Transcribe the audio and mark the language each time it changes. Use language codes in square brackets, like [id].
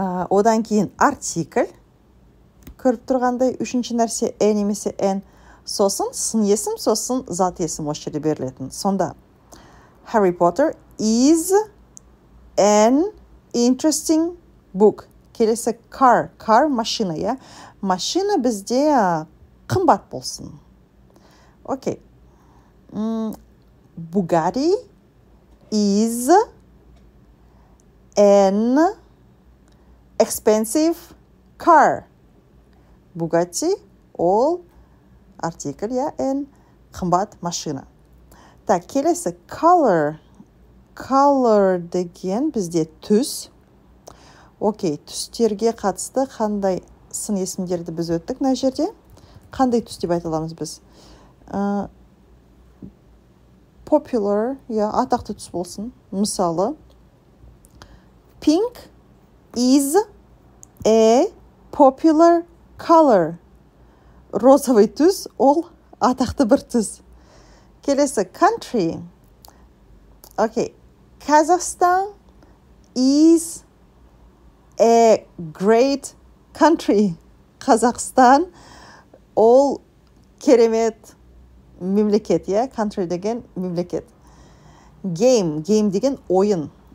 [kk] Одан кейін артикль. Көріп тұрғандай, үшінші нәрсе «э» немесе «эн». Сосын сын есім, сосын зат есім осы жерде берілетін. Сонда [en] «Harry Potter is an interesting book». [kk] Келесі «car». «Car» – машина, е? Машина бізде қымбат болсын. Окей. [en] «Bugatti is an expensive car». [kk] Бугатти, ол, артикль, я, эн, қымбат машина. Так, келесі, color. Color деген бізде түс. Окей, түстерге қатысты қандай сын есімдерді біз өттік на жерде? Қандай түс деп айталамыз біз? Popular, я, атақты түс болсын. Мысалы, [en] pink is a popular color. [kk] Розовый түс, ол атақты бір түс. Келесі country. Окей. [en] Kazakhstan is a great country. [kk] Қазақстан ол керемет мемлекет, иә, country деген мемлекет. Game, game деген ойын.